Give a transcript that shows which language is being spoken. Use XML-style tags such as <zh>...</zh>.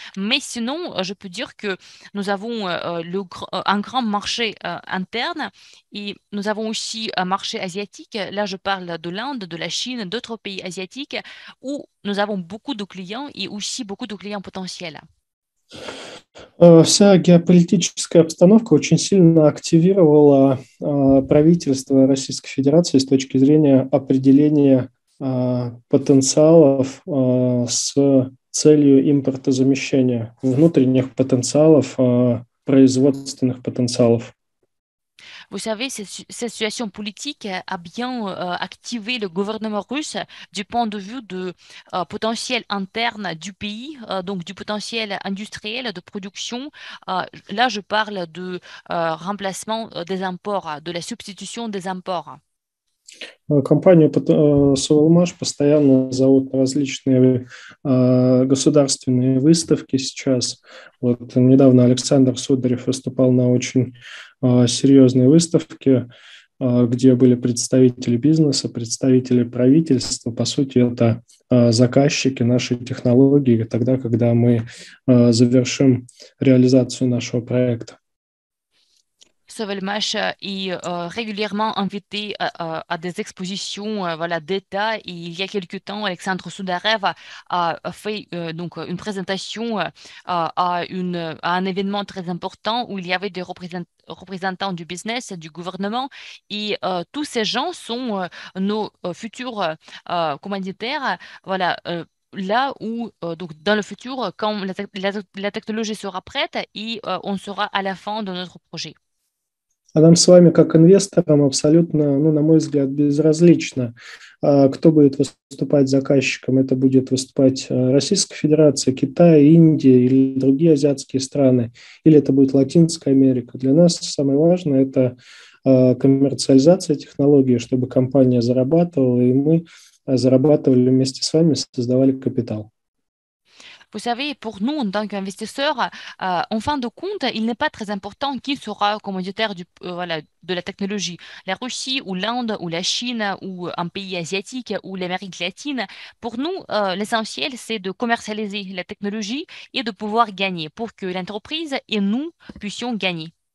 <fr>Mais sinon, je peux dire que nous avons un grand marché interne et nous avons aussi un marché asiatique. Là, je parle de l'Inde, de la Chine, d'autres pays asiatiques où nous avons beaucoup de clients et aussi beaucoup de clients potentiels.</fr> <ru>Вся геополитическая обстановка очень сильно активировала правительство Российской Федерации с точки зрения определения потенциалов с целью импортозамещения, внутренних потенциалов, производственных потенциалов.</ru> <fr>Vous savez, cette situation politique a bien activé le gouvernement russe du point de vue du potentiel interne du pays, donc du potentiel industriel de production. Là, je parle de remplacement des imports, de la substitution des imports.</fr> <ru>Компанию «Совалмаш» постоянно зовут на различные государственные выставки сейчас. Вот недавно Александр Сударев выступал на очень серьезной выставке, где были представители бизнеса, представители правительства. По сути, это заказчики нашей технологии тогда, когда мы завершим реализацию нашего проекта.</ru> <fr>Sauvelmash est régulièrement invité à des expositions voilà, d'État. Et il y a quelques temps, Alexandre Sudarev a fait donc, une présentation à un événement très important où il y avait des représentants du business, du gouvernement. Et tous ces gens sont nos futurs commanditaires. Voilà. Là où, donc dans le futur, quand la technologie sera prête et on sera à la fin de notre projet.</fr> <ru>А нам с вами, как инвесторам, абсолютно, ну, на мой взгляд, безразлично, кто будет выступать заказчиком. Это будет выступать Российская Федерация, Китай, Индия или другие азиатские страны, или это будет Латинская Америка. Для нас самое важное – это коммерциализация технологии, чтобы компания зарабатывала, и мы зарабатывали вместе с вами, создавали капитал.</ru> <fr>Vous savez, pour nous, en tant qu'investisseurs, en fin de compte, il n'est pas très important qui sera commanditaire voilà, de la technologie. La Russie ou l'Inde ou la Chine ou un pays asiatique ou l'Amérique latine. Pour nous, l'essentiel, c'est de commercialiser la technologie et de pouvoir gagner pour que l'entreprise et nous puissions gagner.</fr>